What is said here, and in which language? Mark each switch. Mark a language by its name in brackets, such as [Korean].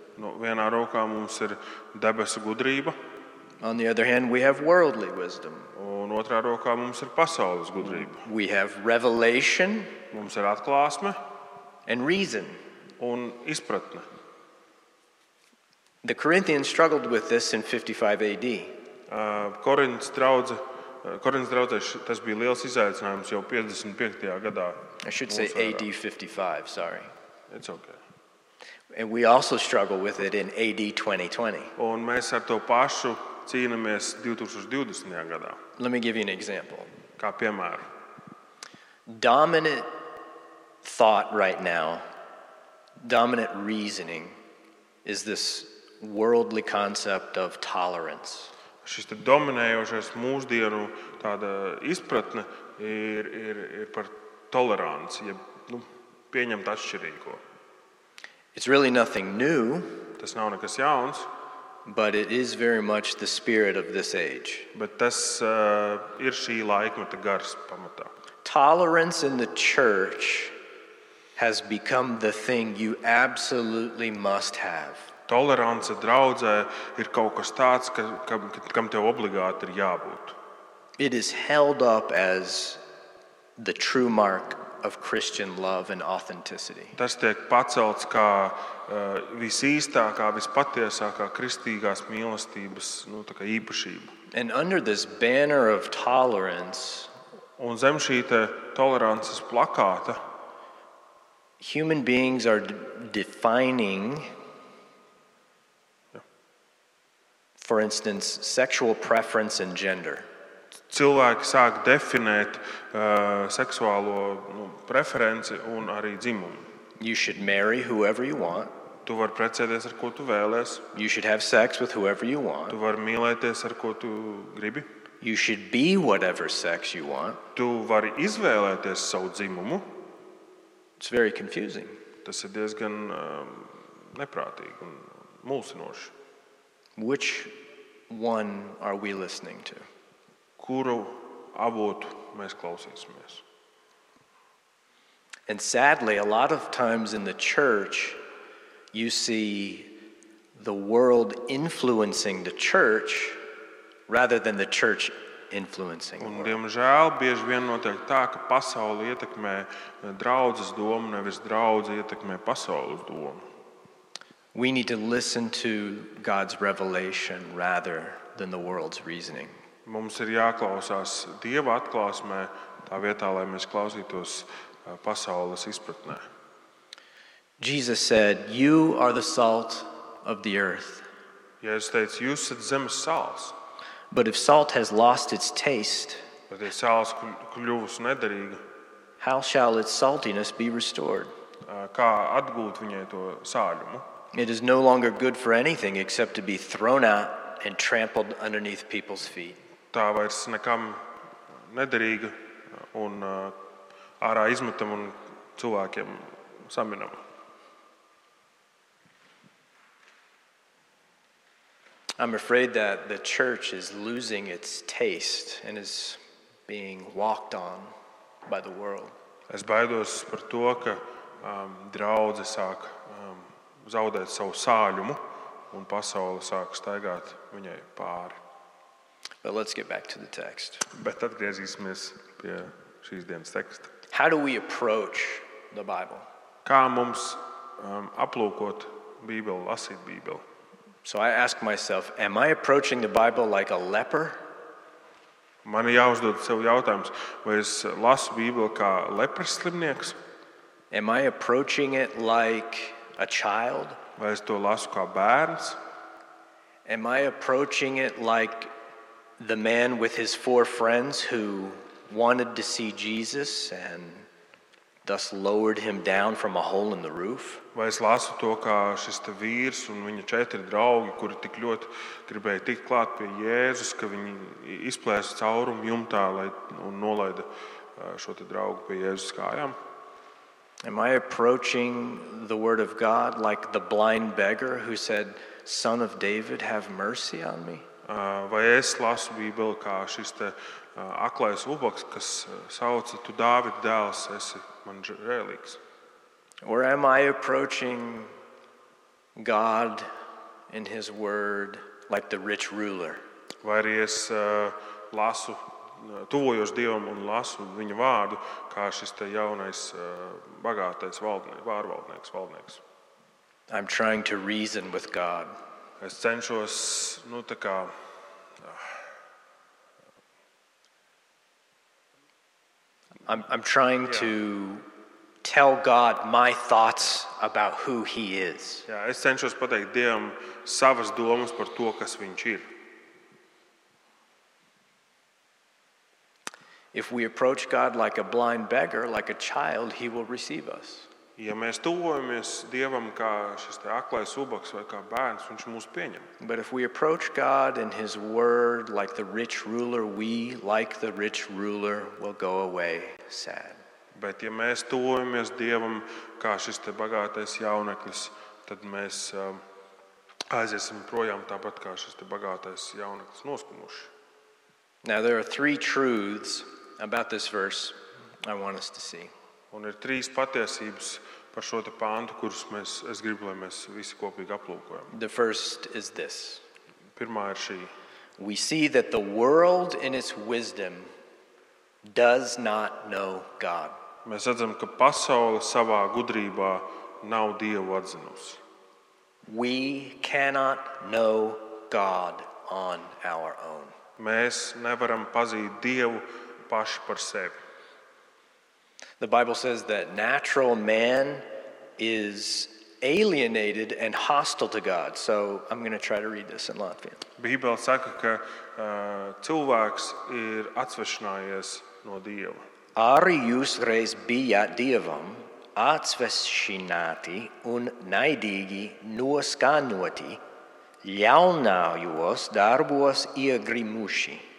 [Latvian] No vienā rokā mums ir debesu gudrība. [English] On the other hand, we have worldly wisdom. [Latvian] Un otrā rokā mums ir pasaules gudrība. [English] We have revelation. [Latvian] Mums ir atklāsme. [English] And reason. [Latvian] Un izpratne. [English] The Corinthians struggled with this in 55 AD. [Latvian] Korintas draudzei tas bija liels izaicinājums jau 55. Gadā. [English] I should say AD 55, sorry. It's okay. And we also struggle with it in AD 2020. [Latvian] Un mēs ar to pašu cīnāmies 2020. Gadā. [English] Let me give you an example. [Latvian] Kā piemēru. [English] Dominant thought right now, dominant reasoning is this worldly concept of tolerance. [Latvian] Šis te dominējošais mūsdienu tāda izpratne ir par toleranci, ja, nu, pieņemt atšķirīgo. [English] It's really nothing new. [Latvian] Tas nav nekas jauns. [English] But it is very much the spirit of this age. [Latvian] Bet tas ir šī laikmeta gars pamatā. [English] Tolerance in the church has become the thing you absolutely must have. [Latvian] Tolerance draudzē ir kaut kas tāds, kam tev obligāti ir jābūt. [English] It is held up as the true mark of Christian love and authenticity. [Latvian] Tas tiek pacelts kā visīstākā, vispatiesākā kristīgās mīlestības, nu, tā kā īpašība. [English] And under this banner of tolerance, [Latvian] un zem šī te tolerances plakāta, [English] human beings are defining, for instance, sexual preference and gender. [Latvian] Cilvēki sāk definēt seksuālo, nu, preferenci un arī dzimumu. [English] You should marry whoever you want. [Latvian] Tu var precēties ar ko tu vēlies. [English] You should have sex with whoever you want. [Latvian] Tu var mīlēties ar ko tu gribi. [English] You should be whatever sex you want. [Latvian] Tu vari izvēlēties savu dzimumu. [English] It's very confusing. [Latvian] Tas ir diezgan neprātīgi un mulsinoši. [English] Which one are we listening to? [Latvian] Kuru avotu mēs klausīsimies? [English] And sadly, a lot of times in the church, you see the world influencing the church rather than the church influencing. [Latvian] Un diemžēl bieži vien notiek tā, ka pasaule ietekmē draudzes domu, nevis draudze ietekmē pasaules domu. [English] We need to listen to God's revelation rather than the world's reasoning. [Latvian] Mums ir jāklausās Dieva atklāsmē, tā vietā, lai mēs klausītos pasaules izpratnē. [English] Jesus said, "You are the salt of the earth." [Latvian] Jēzus teica, jūs esat zemes sals. [English] But if salt has lost its taste, [Latvian] bet ja sāls kļuvis nederīga, [English] how shall its saltiness be restored? [Latvian] Kā atgūt viņai to sāļumu? [English] It is no longer good for anything except to be thrown out and trampled underneath people's feet. [Latvian] Tā vairs nekam nederīga un ārā izmetam un cilvēkiem saminam. [English] I'm afraid that the church is losing its taste and is being walked on by the world. [Latvian] Es baidos par to, ka draudze sāk zaudēt savu sāļumu un pasaule sāk staigāt viņai pāri. [English] But let's get back to the text. [Latvian] Bet atgriezīsimies pie šīs dienas teksta. [English] How do we approach the Bible? [Latvian] Kā mums aplūkot Bībeli, lasīt Bībeli? [English] So I ask myself, am I approaching the Bible like a leper? [Latvian] Man jāuzdod sev jautājums, vai es lasu Bībeli kā lepras slimnieks? [English] Am I approaching it like a child? [Latvian] Vai es to lasu kā bērns? [English] Am I approaching it like the man with his four friends who wanted to see Jesus and thus lowered him down from a hole in the roof? [Latvian] Vai es lasu to kā šis te vīrs un viņa četri draugi, kuri tik ļoti gribēja tikt klāt pie Jēzus, ka viņi izplēsa caurumu jumtā un nolaida šo te draugu pie Jēzus kājām? [English] Am I approaching the word of God like the blind beggar who said, son of David, have mercy on me? [Latvian] Vai es lasu Bībeli kā šis te aklais ubags, kas sauca, tu Dāvida dēls, esi man žēlīgs? [English] Or am I approaching God in his word like the rich ruler? [Latvian] Vai arī es lasu, tuvojos Dievam un lasu viņa vārdu, kā šis te jaunais bagātais vārvaldnieks, valdnieks? [English] I'm trying to reason with God. [Latvian] Es cenšos, nu, tā kā, [English] I'm trying to tell God my thoughts about who he is. [Latvian] Jā, es cenšos pateikt Dievam savas domas par to, kas viņš ir. [English] If we approach God like a blind beggar, like a child, he will receive us. [Latvian] Ja mēs tuvojamies Dievam kā šis te aklais ubags vai kā bērns, viņš mūs pieņem. [English] But if we approach God in his word like the rich ruler, we, like the rich ruler, will go away sad. [Latvian] Bet ja mēs tuvojamies Dievam kā šis te bagātais jauneklis, tad mēs aiziesim projām tāpat kā šis te bagātais jauneklis noskumuši. [English] Now there are three truths about this verse I want us to see. [Latvian] Un ir trīs patiesības par šo te pāntu, kurus mēs, es gribu, lai mēs visi kopīgi aplūkojam. [English] The first is this. [Latvian] Pirmā ir šī. [English] We see that the world in its wisdom does not know God. [Latvian] Mēs redzam, ka pasaule savā gudrībā nav Dievu atzinusi. [English] We cannot know God on our own. [Latvian] Mēs nevaram pazīt Dievu paši par sevi. [English] The Bible says that natural man is alienated and hostile to God. So I'm going to try to read this in Latvian. [Latvian] Bībele saka, ka cilvēks ir atsvešinājies no Dieva. Arī jūs reiz bijāt Dievam atsvešināti un naidīgi noskānoti, ļaunājos darbos iegrimuši.